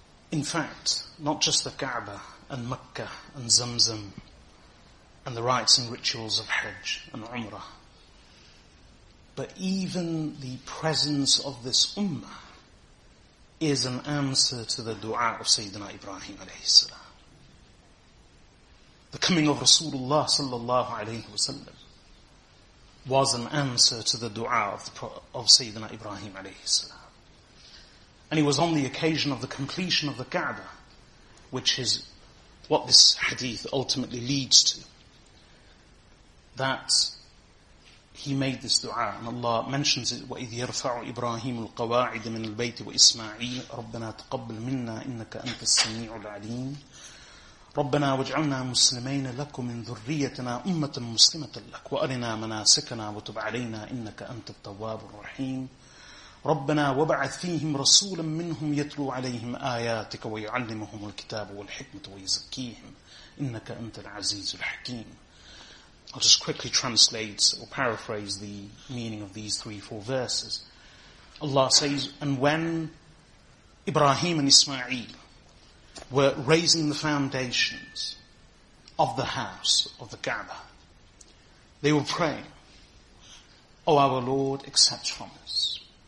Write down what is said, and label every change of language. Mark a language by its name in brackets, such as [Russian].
[English] In fact, not just the Kaaba and Mecca and Zamzam and the rites and rituals of Hajj and Umrah, but even the presence of this ummah is an answer to the dua of Sayyidina Ibrahim alayhi salam. The coming of Rasulullah sallallahu alayhi wasallam was an answer to the dua of Sayyidina Ibrahim alayhi salam. And it was on the occasion of the completion of the Kaaba, which is what this hadith ultimately leads to, that he made this dua, and Allah mentions it, [Arabic] وَإِذْ يَرْفَعُ إِبْرَاهِيمُ الْقَوَاعِدَ مِنَ الْبَيْتِ وَإِسْمَاعِيلُ رَبَّنَا تَقَبَّلْ مِنَّا إِنَّكَ أَنْتَ السَّمِيعُ الْعَلِيمُ ربنا واجعلنا مسلمين لك من ذريتنا أمة مسلمة لك وأرنا مناسكنا وتب علينا إنك أنت التواب الرحيم ربنا وبعث فيهم رسولا منهم يتلو عليهم آياتك ويعلمهم الكتاب والحكمة ويزكيهم إنك أنت العزيز الحكيم. [English] I'll just quickly translate or paraphrase the meaning of these three, four verses. Allah says, and when Ibrahim and Ismail were raising the foundations of the house of the Kaaba, they were praying, O our Lord, accept from us.